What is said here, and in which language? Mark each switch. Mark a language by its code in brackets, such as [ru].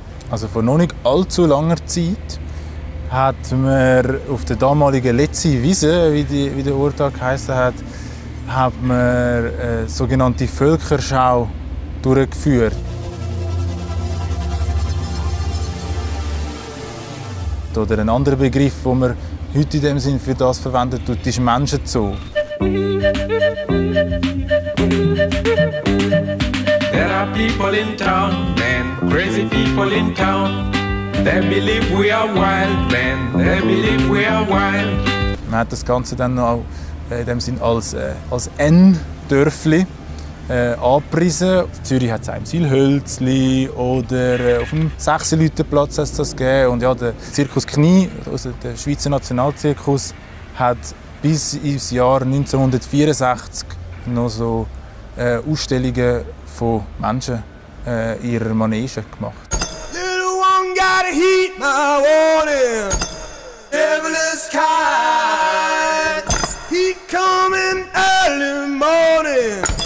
[de] Also vor noch nicht allzu langer Zeit hat man auf der damaligen Letzi Wiese, wie der Ort geheißen hat, hat man eine sogenannte Völkerschau durchgeführt. Oder ein anderer Begriff, den man heute in dem Sinn für das verwendet, ist Menschenzoo. [en] There are people in town, man, crazy people in town. They believe we are wild, man, they believe we are wild. [de] Man hat das Ganze dann noch in dem Sinn als N-Dörfli angepriesen. Zürich hat es auch im Silhölzli oder auf dem Sechseleutenplatz hat es das gegeben. Und ja, der Zirkus Knie, also der Schweizer Nationalzirkus, hat bis ins Jahr 1964 noch so Ausstellungen von Menschen in ihrer Manege gemacht. [en] Little one got a heat, my warning. Devil is kind. He coming early morning.